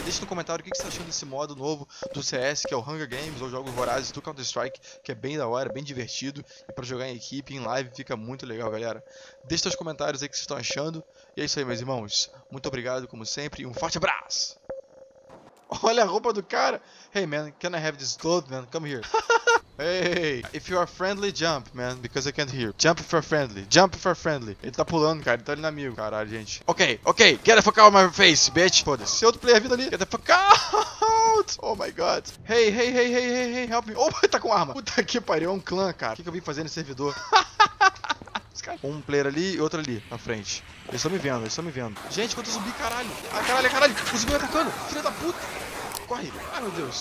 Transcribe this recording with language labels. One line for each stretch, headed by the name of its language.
Portuguese: Deixa no comentário o que você está achando desse modo novo do CS, que é o Hunger Games, ou Jogos Vorazes do Counter-Strike, que é bem da hora, bem divertido. E para jogar em equipe, em live, fica muito legal, galera. Deixa seus comentários aí o que vocês estão achando. E é isso aí, meus irmãos. Muito obrigado, como sempre, e um forte abraço! Olha a roupa do cara!
English: Hey, man, can I have this gold, man? Come here. Hey, if you are friendly, jump, man, because I can't hear. Jump if you're friendly.
Portuguese: Ele tá pulando, cara, ele tá ali no amigo. Caralho, gente.
English: Ok, get the fuck out of my face, bitch.
Portuguese: Foda-se, outro player vindo ali.
English: Get the fuck out! Oh my god. Hey, help me.
Portuguese: Opa, ele tá com arma. Puta que pariu, é um clã, cara. O que eu vim fazer nesse servidor? Um player ali e outro ali, na frente. Eles estão me vendo, eles estão me vendo. Gente, quanto zumbi, caralho. Ah, caralho, caralho. O zumbi atacando. Filha da puta. Corre. Ah, meu Deus.